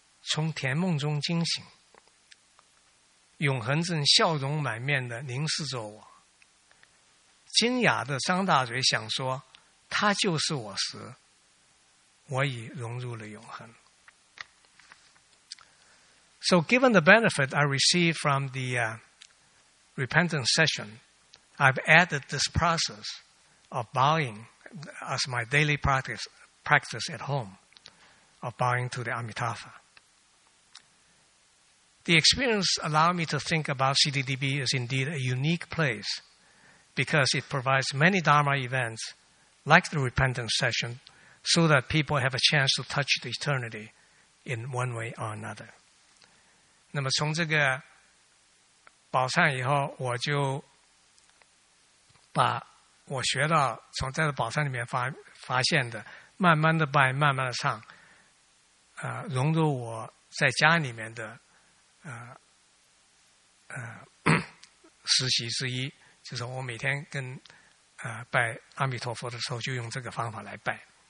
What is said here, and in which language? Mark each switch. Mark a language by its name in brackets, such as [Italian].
[Chinese] 从甜梦中惊醒，永恒正笑容满面的凝视着我，惊讶的张大嘴想说他就是我时，我已融入了永恒。 [English] So given the benefit I received from the repentance session, I've added this process of bowing as my daily practice at home of bowing to the Amitabha. The experience allowed me to think about CDDB is indeed a unique place because it provides many Dharma events like the repentance session so that people have a chance to touch the eternity in one way or another. [Chinese] 那么从这个宝忏以后，我就把我学到从在宝忏里面 发现的慢慢的拜慢慢的唱融入我在家里面的实习之一，就是我每天跟拜阿弥陀佛的时候就用这个方法来拜。